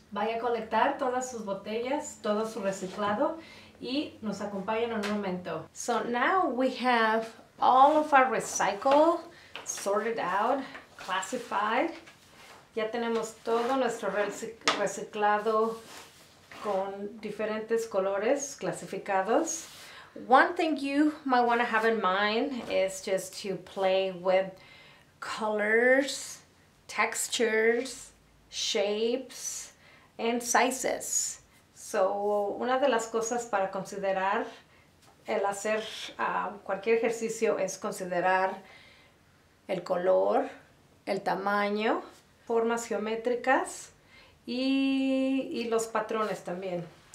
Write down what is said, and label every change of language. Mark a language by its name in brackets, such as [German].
[Spanish] Vaya a colectar todas sus botellas, todo su reciclado, y nos acompaña en un momento. [English] So now we have all of our recycle sorted out, classified. [Spanish] Ya tenemos todo nuestro reciclado con diferentes colores clasificados. [English] One thing you might want to have in mind is just to play with colors, textures, shapes, and sizes. [Spanish] So, una de las cosas para considerar el hacer cualquier ejercicio es considerar el color, el tamaño, formas geométricas, y los patrones también.